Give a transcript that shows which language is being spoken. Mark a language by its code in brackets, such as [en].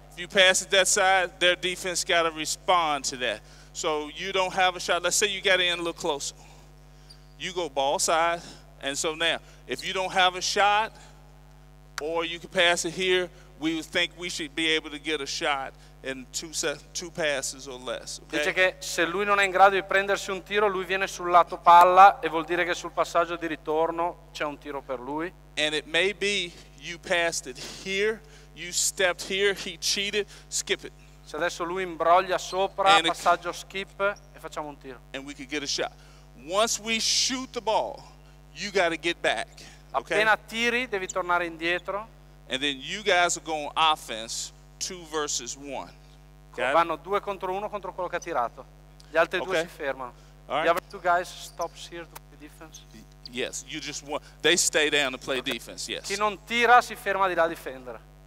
[en] If you pass it that side, their defense got to respond to that. So you don't have a shot. Let's say you got in a little closer. You go ball side. And so now, if you don't have a shot, or you can pass it here, we think we should be able to get a shot in two passes or less. Okay? [it] Dice che se lui non è in grado di prendersi un tiro, lui viene sul lato palla e vuol dire che sul passaggio di ritorno c'è un tiro per lui. [en] And it may be you passed it here, you stepped here, he cheated, skip it. [it] Se adesso lui imbroglia sopra, [en] and [it] passaggio [en] it, [it] skip e facciamo un tiro. [en] And we could get a shot. Once we shoot the ball, you got to get back. Okay? [it] Appena tiri, devi tornare indietro. [en] And then you guys are going offense, two versus one. Okay? [it] Vanno due contro uno contro quello che ha tirato. Gli altri due si fermano. [en] Right. The other two guys stops here to play defense. Yes, you just want, they stay down to play defense, yes. [it] Chi non tira si ferma di là a difendere.